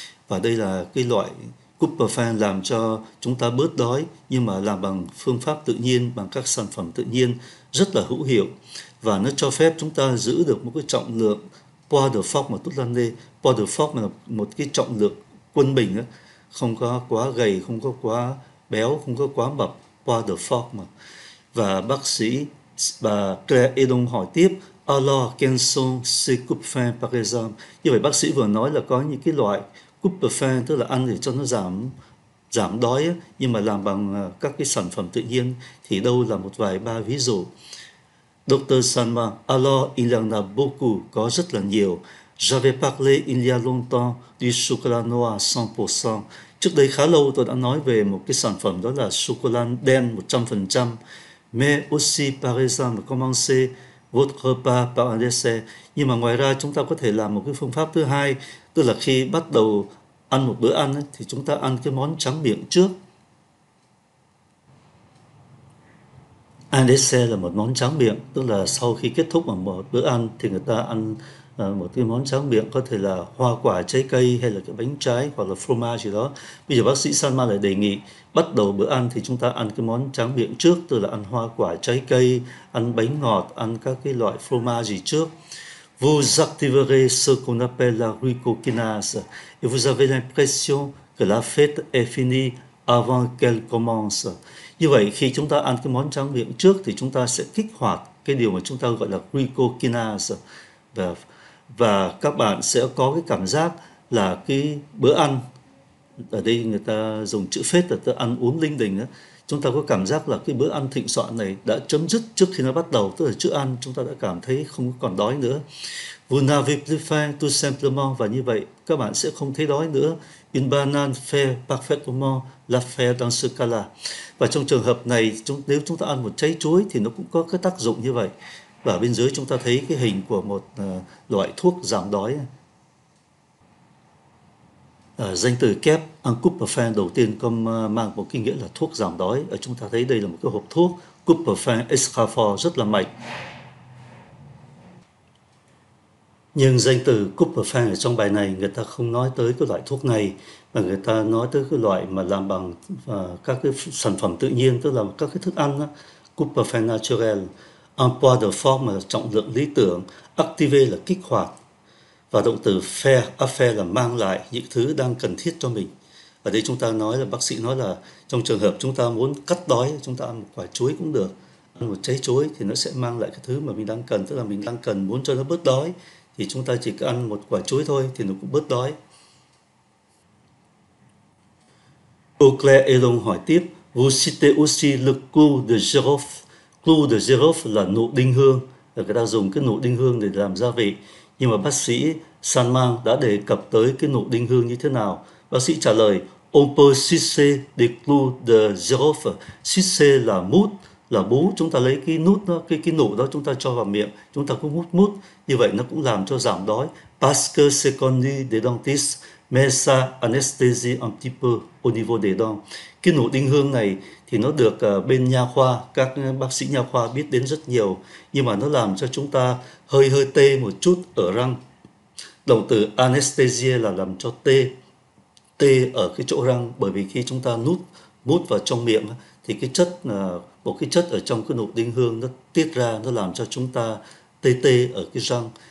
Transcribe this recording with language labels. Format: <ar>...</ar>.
<vi>Và đây là cái loại coupe faim làm cho chúng ta bớt đói, nhưng mà làm bằng phương pháp tự nhiên, bằng các sản phẩm tự nhiên, rất là hữu hiệu. Và nó cho phép chúng ta giữ được một cái trọng lượng,</vi> <fr>poids de forme, tout l'année.</fr> <vi>Poids de forme là một cái trọng lượng quân bình á. Không có quá gầy, không có quá béo, không có quá mập, poids de forme. Và bác sĩ, bà Claire Edon hỏi tiếp,</vi> <fr>alors, quels sont ces coupe-faim, par exemple?</fr> <vi>Như vậy bác sĩ vừa nói là có những cái loại coupe-faim, tức là ăn để cho nó giảm đói, nhưng mà làm bằng các cái sản phẩm tự nhiên, thì đâu là một vài ba ví dụ.</vi> <fr>Doctor Sanma, alors il y en a beaucoup,</fr> <vi>có rất là nhiều.</vi> <fr>J'avais parlé il y a longtemps du chocolat noir 100%.</fr> <vi>Trước đây khá lâu tôi đã nói về một cái sản phẩm đó là chocolat đen 100%.</vi> <fr>Mais aussi, par exemple, commencer votre repas par un dessert.</fr> <vi>Nhưng mà ngoài ra chúng ta có thể làm một cái phương pháp thứ hai, tức là khi bắt đầu ăn một bữa ăn thì chúng ta ăn cái món tráng miệng trước. Un dessert là một món tráng miệng, tức là sau khi kết thúc một bữa ăn thì người ta ăn một cái món tráng miệng, có thể là hoa quả trái cây hay là cái bánh trái hoặc là phô mai gì đó. Bây giờ bác sĩ Salma lại đề nghị bắt đầu bữa ăn thì chúng ta ăn cái món tráng miệng trước, tức là ăn hoa quả trái cây, ăn bánh ngọt, ăn các cái loại phô mai gì trước.</vi> <fr>Vous activerez ce qu'on appelle la glucokinase et vous avez l'impression que la fête est finie avant qu'elle commence.</fr> <vi>Như vậy khi chúng ta ăn cái món tráng miệng trước thì chúng ta sẽ kích hoạt cái điều mà chúng ta gọi là glucokinase, và các bạn sẽ có cái cảm giác là cái bữa ăn, ở đây người ta dùng chữ phết là tức ăn uống linh đình đó, chúng ta có cảm giác là cái bữa ăn thịnh soạn này đã chấm dứt trước khi nó bắt đầu, tức là chữ ăn chúng ta đã cảm thấy không còn đói nữa.</vi> <fr>Vous n'avez plus faim, tout simplement,</fr> <vi>và như vậy các bạn sẽ không thấy đói nữa.</vi> <fr>Une banane fait parfaitement l'affaire dans ce cas-là.</fr> <vi>Và trong trường hợp này, nếu chúng ta ăn một trái chuối thì nó cũng có cái tác dụng như vậy. Và bên dưới chúng ta thấy cái hình của một loại thuốc giảm đói. Danh từ kép Ancuprofen đầu tiên có mang một cái nghĩa là thuốc giảm đói. Chúng ta thấy đây là một cái hộp thuốc Cuprofen Escafor rất là mạnh. Nhưng danh từ Cuprofen ở trong bài này người ta không nói tới cái loại thuốc này, mà người ta nói tới cái loại mà làm bằng các cái sản phẩm tự nhiên, tức là các cái thức ăn đó. Cuprofen Naturel, un poids de forme là trọng lượng lý tưởng, activer là kích hoạt, và động từ faire, affaire là mang lại những thứ đang cần thiết cho mình. Ở đây chúng ta nói là bác sĩ nói là trong trường hợp chúng ta muốn cắt đói, chúng ta ăn một quả chuối cũng được, ăn một trái chuối thì nó sẽ mang lại cái thứ mà mình đang cần, tức là mình đang cần muốn cho nó bớt đói thì chúng ta chỉ ăn một quả chuối thôi thì nó cũng bớt đói. Eau Claire Elon hỏi tiếp,</vi> <fr>vous citez aussi le clou de girofle.</fr> <vi>Clou de girofle là nụ đinh hương, là người ta dùng cái nụ đinh hương để làm gia vị. Nhưng mà bác sĩ Sanmang đã đề cập tới cái nụ đinh hương như thế nào? Bác sĩ trả lời,</vi> <fr>on peut sucer des clous de girofle.</fr> <vi>Sucer là mút, là bú. Chúng ta lấy cái nút đó, cái nụ đó chúng ta cho vào miệng, chúng ta cũng mút mút. Như vậy nó cũng làm cho giảm đói.</vi> <fr>Parce que c'est connu des dentistes, mais ça anesthésie un petit peu au niveau des dents.</fr> <vi>Cái nụ đinh hương này thì nó được bên nha khoa, các bác sĩ nha khoa biết đến rất nhiều, nhưng mà nó làm cho chúng ta hơi hơi tê một chút ở răng. Động từ anesthesia là làm cho tê tê ở cái chỗ răng, bởi vì khi chúng ta nút mút vào trong miệng thì cái chất một cái chất ở trong cái nụ đinh hương nó tiết ra, nó làm cho chúng ta tê tê ở cái răng.</vi>